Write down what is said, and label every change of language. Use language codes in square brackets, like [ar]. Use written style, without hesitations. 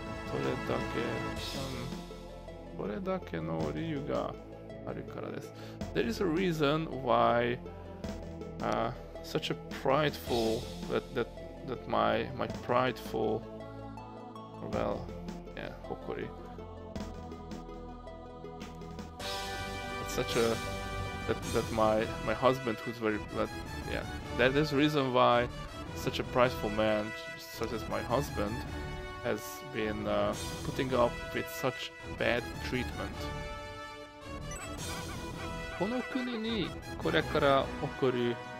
[ja] それだけ、それだけの理由があるからです。 [en] There is a reason why such a prideful that my prideful, well, yeah, hokori. That my husband, who's very, there is a reason why such a prideful man, such as my husband, has been putting up with such bad treatment. [ja] この国にこれから起こる